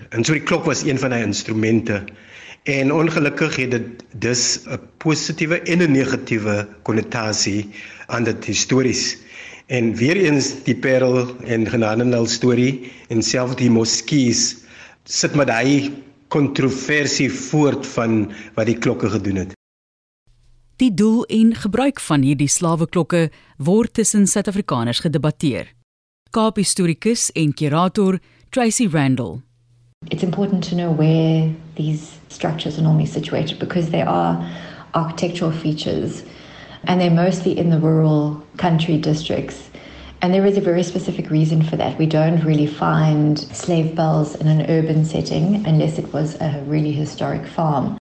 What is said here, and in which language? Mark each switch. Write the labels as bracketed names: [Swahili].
[Afrikaans] En so die klok was een van die instrumente. En ongelukkig het dit dus 'n positiewe en 'n negatiewe konnotasie aan dit histories. En weer eens die Parel en Genadendal storie en self die moskees sit met daai kontroversie voort van wat die klokke gedoen het. Die doel en gebruik van hierdie slaweklokke word tussen Suid-Afrikaners gedebatteer. Kaap-historikus en kurator Tracy Randall. [English] It's important to know where these structures are normally situated because they are architectural features and they're mostly in the rural country districts. And there is a very specific reason for that. We don't really find slave bells in an urban setting unless it was a really historic farm.